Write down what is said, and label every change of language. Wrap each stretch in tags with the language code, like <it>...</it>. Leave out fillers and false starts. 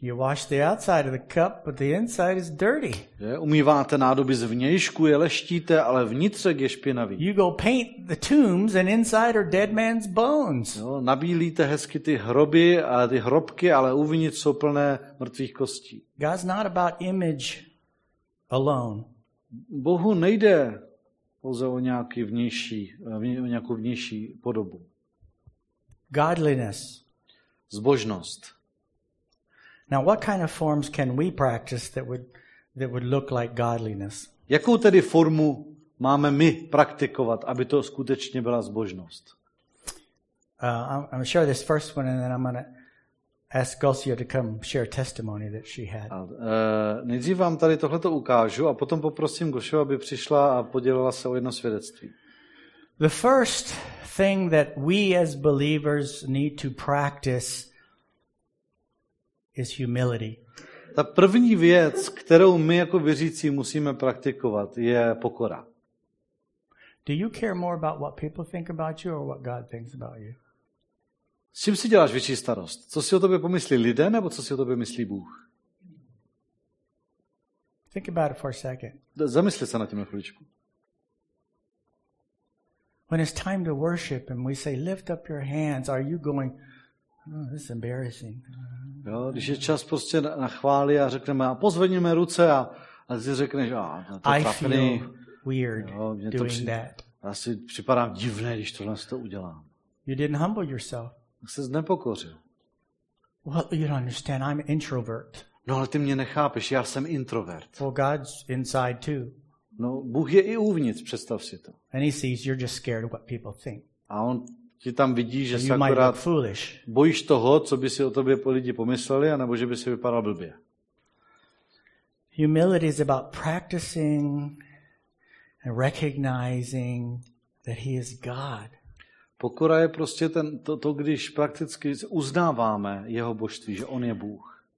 <en>You wash the outside of the cup, but the inside is dirty.</en> <cs>Umýváte nádoby zvnějšku, je leštíte, ale vnitřek je špinavý.</cs> <en>You go paint the tombs and inside are dead man's bones.</en> <cs>Jo, nabílíte hezky ty hroby a ty hrobky, ale uvnitř jsou plné mrtvých kostí.</cs> <en>God's not about image alone.</en> <cs>Bohu nejde pouze o nějaký vnější, o nějakou vnější podobu.</cs> <en>Godliness.</en> <cs>Zbožnost.</cs> <en>Now, what kind of forms can we practice that would look like godliness?</en> <cs>Jakou tedy formu máme my praktikovat, aby to skutečně byla zbožnost?</cs> <en>I'm sure this first one, and then I'm gonna ask Gosia to come share testimony that she had.</en> <cs>Nejdřív vám tady tohleto ukážu a potom poprosím Gosiu, aby přišla a podělila se o jedno svědectví.</cs> <en>The first thing that we as believers need to practice is humility.</en> <cs>Ta první věc, kterou my jako věřící musíme praktikovat, je pokora.</cs> <en>Do you care more about what people think about you or what God thinks about you?</en> <cs>S čím si děláš větší starost? Co si o tobě pomyslí lidé, nebo co si o tobě myslí Bůh?</cs> <en>Think about it for a second.</en> <cs>Zamysli se na tím na chvíličku.</cs> <en>When it's time to worship and we say lift up your hands, are you going, oh, this is embarrassing?</en> <cs>Jo, když je čas prostě na chvály a řekneme a pozvedněme ruce a ty řekneš, a to je trapný.</cs> <en>Weird,</en> <cs>jo,</cs> <en>doing that.</en> <cs>Já si připadám divné, když tohle si to udělám.</cs> <en>You didn't humble yourself.</en> <cs>Tak ses nepokořil.</cs> <en>Well, you don't understand. I'm introvert.</en> <cs>No, ale ty mě nechápeš. Já jsem introvert.</cs> <en>Well, God's inside too.</en> <cs>No, Bůh je i uvnitř. Představ si to.</cs> <en>And he sees you're just scared of what people think.</en> <cs>A on ti tam vidí, že se akorát bojíš toho, co by si o tobě po lidi pomysleli, anebo že by si vypadal blbě.</cs> <en>Humility is about practicing and recognizing that he is God.</en> <cs>Pokora je prostě to, když prakticky uznáváme jeho božství, že on je Bůh.</cs>